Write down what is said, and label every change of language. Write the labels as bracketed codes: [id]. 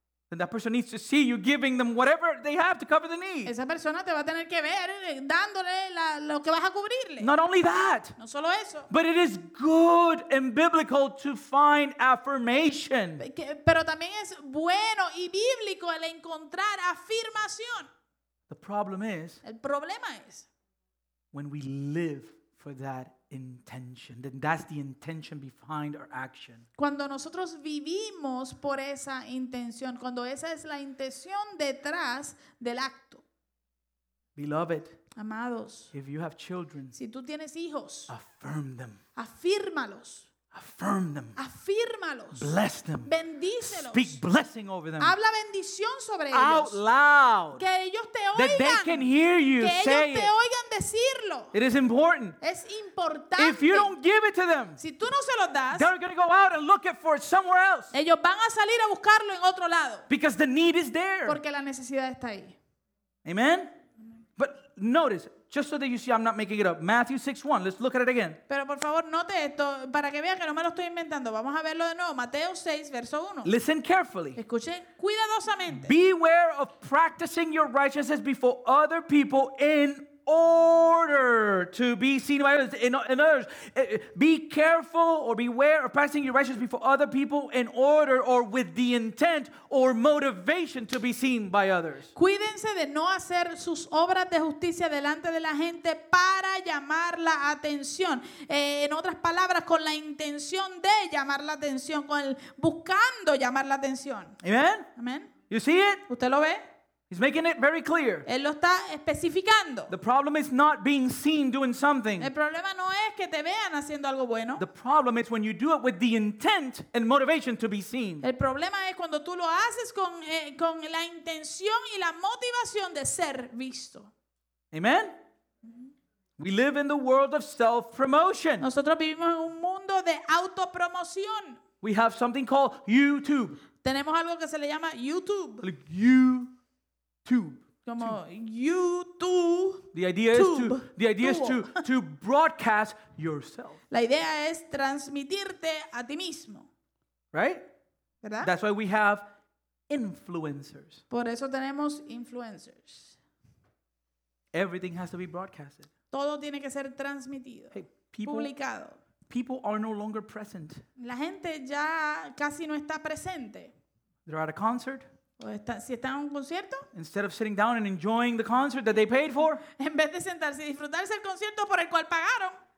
[en] then that person needs to see you giving them whatever they have to cover the need. [es] Esa persona te va a tener que ver dándole lo que vas a cubrirle. [en] Not only that, [es] no solo eso, [en] but it is good and biblical to find affirmation. [es] Pero también es bueno y bíblico el encontrar afirmación. [en] The problem is, [es] el problema es, [en] when we live for that intention, then that's the intention behind our action. [es] Cuando nosotros vivimos por esa intención, cuando esa es la intención detrás del acto. [en] Beloved, [es] amados, [en] if you have children, [es] si tú tienes hijos, [en] affirm them. [es] Afírmalos. [en] Affirm them. [es] Afírmalos. [en] Bless them. [es] Bendícelos. [en] Speak blessing over them. [es] Habla bendición sobre ellos. [en] Out loud. [es] Que ellos te oigan. [en] That they can hear you say it. [es] Que ellos te oigan decirlo. [en] It is important. [es] Es importante. [en] If you don't give it to them, [es] si tú no se los das, [en] they're going to go out and look it for somewhere else. [es] Ellos van a salir a buscarlo en otro lado. [en] Because the need is there. [es] Porque la necesidad está ahí. [en] Amen. But notice, just so that you see, I'm not making it up. Matthew 6:1. Let's look at it again. [es] Pero por favor, note esto para que vean que no me lo estoy inventando. Vamos a verlo de nuevo. Mateo 6, verso 1. [en] Listen carefully. [es] Escuchen cuidadosamente. [en] Beware of practicing your righteousness before other people in order to be seen by others. In others, be careful or beware of practicing your righteousness before other people in order or with the intent or motivation to be seen by others. [es] Cuídense de no hacer sus obras de justicia delante de la gente para llamar la atención. En otras palabras, con la intención de llamar la atención, con el buscando llamar la atención. [en] Amen. [es] Amen. [en] You see it? [es] ¿Usted lo ve? [en] He's making it very clear. [es] Él lo está especificando. [en] The problem is not being seen doing something. [es] El problema no es que te vean haciendo algo bueno. [en] The problem is when you do it with the intent and motivation to be seen. [es] El problema es cuando tú lo haces con la intención y la motivación de ser visto. [en] Amen. [es] We live in the world of self-promotion. [en] Nosotros vivimos en un mundo de autopromoción. [es] We have something called YouTube. [en] Tenemos algo que se le llama YouTube. [es] Like YouTube. [en] Como YouTube. [es] The idea is to broadcast yourself. [en] La idea es transmitirte a ti mismo. [es] Right? [en] ¿Verdad? [es] That's why we have influencers. [en] Por eso tenemos influencers. [es] Everything has to be broadcasted. [en] Todo tiene que ser transmitido. [es] Hey, people, [en] publicado. [es] People are no longer present. [en] La gente ya casi no está presente. [es] They're at a concert. [en] Si están en un concierto, [es] instead of sitting down and enjoying the concert that they paid for, [en] en vez de sentarse y disfrutarse el concierto por el cual pagaron,